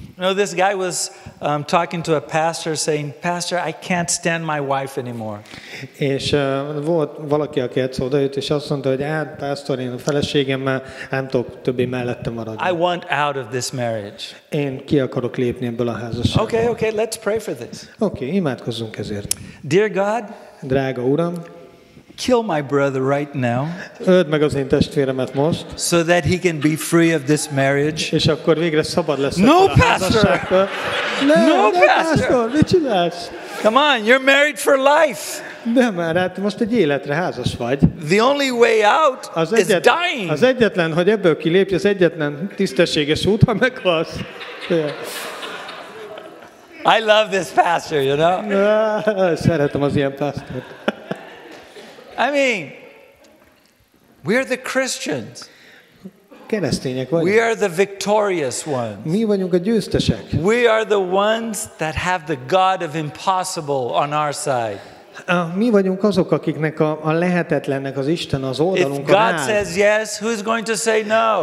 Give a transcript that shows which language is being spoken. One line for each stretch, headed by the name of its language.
English: You know, this guy was talking to a pastor saying, Pastor, I can't stand my wife anymore.
Hungarian: És volt valaki, aki egyszer odajött, és azt mondta, hogy hát, pastor, én a feleségemmel nem tudok többé mellette maradni.
English: I want out of this marriage.
Hungarian: Én ki akarok lépni ebből a házasságból.
English: Okay, let's pray for this.
Hungarian: Okay, imádkozzunk ezért.
English: Dear God,
Hungarian: drága Uram,
English: kill my brother right now.
Hungarian: Öld meg az én testvéremet most.
English: So that he can be free of this marriage.
Hungarian: És akkor végre szabad lesz.
English: No, pastor. No, pastor.
Hungarian: Mit csinálsz?
English: Come on, you're married for life.
Hungarian: De már, hát most egy életre házas vagy.
English: The only way out
Hungarian: az egyet,
English: is dying.
Hungarian: Az egyetlen, hogy ebből kilépj, az egyetlen tisztességes út, ha meghalsz.
English: I love this pastor, you know.
Hungarian: Szeretem az ilyen pastort.
English: I mean, we are the Christians.
Hungarian: Keresztények vagyunk.
English: We are the victorious ones.
Hungarian: Mi vagyunk a győztesek.
English: We are the ones that have the God of impossible on our side.
Hungarian: Mi vagyunk azok, akiknek a lehetetlennek az Isten az oldalunkon áll.
English: If God says yes, who is going to say no?